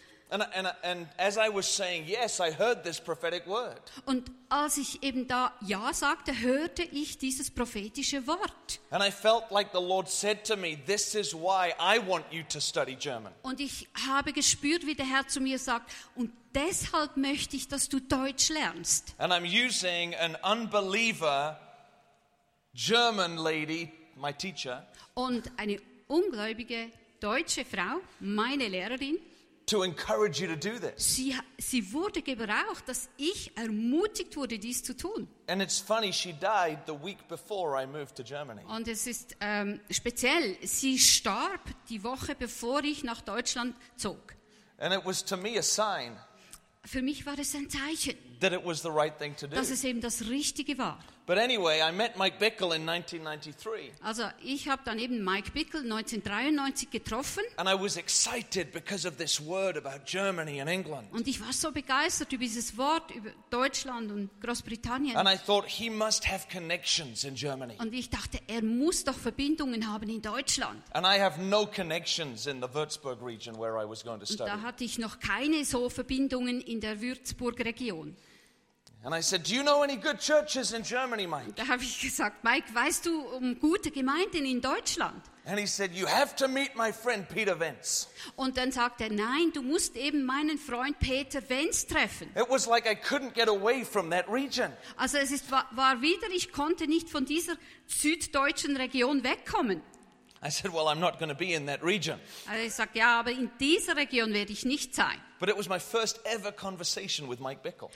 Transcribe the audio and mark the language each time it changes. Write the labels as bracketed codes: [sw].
[en] And as I was saying yes, I heard this prophetic word. [de] Und als ich eben da ja sagte, hörte ich dieses prophetische Wort. [en] And I felt like the Lord said to me, this is why I want you to study German. [de] Und ich habe gespürt, wie der Herr zu mir sagt, und deshalb möchte ich, dass du Deutsch lernst. [en] And I'm using an unbeliever German lady, my teacher. [de] Und eine ungläubige deutsche Frau, meine Lehrerin. [en] To encourage you to do this. [de] Sie wurde gebraucht, dass ich ermutigt wurde, dies zu tun. [en] And it's funny, she died the week before I moved to Germany. [de] Und es ist speziell, sie starb die Woche, bevor ich nach Deutschland zog. [en] And it was to me a sign. [de] Für mich war es ein Zeichen. [en] That it was the right thing to do. [de] Dass es eben das Richtige war. [en] But anyway, I met Mike Bickle in 1993. [de] Also, ich habe dann eben Mike Bickle 1993 getroffen. [en] And I was excited because of this word about Germany and England. [de] Und ich war so begeistert über dieses Wort über Deutschland und Großbritannien. [en] And I thought he must have connections in Germany. [de] Und ich dachte, er muss doch Verbindungen haben in Deutschland. [en] And I have no connections in the Würzburg region where I was going to study. [de] Und da hatte ich noch keine so Verbindungen in der Würzburg Region. [en] And I said, "Do you know any good churches in Germany, Mike?" [de] Da habe ich gesagt, Mike, weißt du um gute Gemeinden in Deutschland? [en] And he said, "You have to meet my friend Peter Wenz." [de] Und dann sagt er, nein, du musst eben meinen Freund Peter Wenz treffen. [en] It was like I couldn't get away from that region. [de] Also es ist war wieder, ich konnte nicht von dieser süddeutschen Region wegkommen. [en] I said, "Well, I'm not going to be in that region." [de] Also ich sagte, ja, aber in dieser Region werde ich nicht sein. [en] But it was my first ever conversation with Mike Bickle.